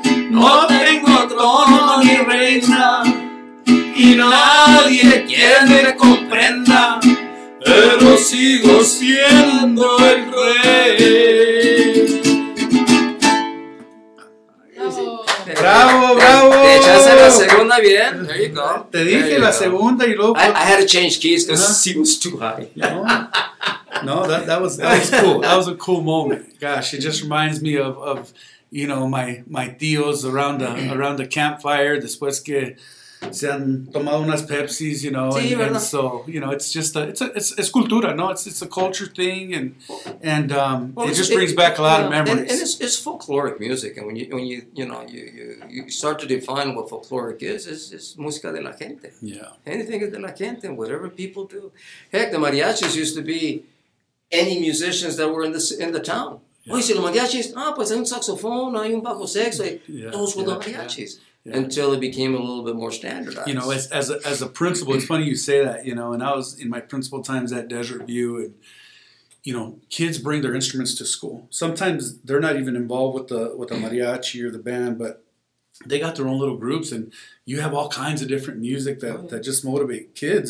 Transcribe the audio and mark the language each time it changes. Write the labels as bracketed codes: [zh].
[es] No tengo trono ni reina, y nadie quien me comprenda, pero sigo siendo el rey. Bravo, bravo. Te echaste la La segunda bien. [en] There you go. [es] Te dije la segunda y luego. [en] I had to change keys because it seems too high. No, that was cool. That was a cool moment. Gosh, it just reminds me of you know my tios around the campfire. [es] Después que se han tomado unas Pepsis, [en] you know, [es] sí, [en] and so you know it's cultura, no? It's a culture thing, and it brings back a lot of memories. And it's folkloric music, and when you start to define what folkloric is, it's [es] música de la gente. [en] Yeah, anything is [es] de la gente, [en] whatever people do. Heck, the mariachis used to be any musicians that were in the town. Yeah. [es] Oye, si los mariachis, pues hay un saxofón, hay un bajo sexto, todos los mariachis. [en] Yeah. Yeah. Until it became a little bit more standardized. You know, as a principal, it's funny you say that, you know, and I was in my principal times at Desert View, and, you know, kids bring their instruments to school. Sometimes they're not even involved with the mariachi or the band, but they got their own little groups, and you have all kinds of different music that just motivate kids.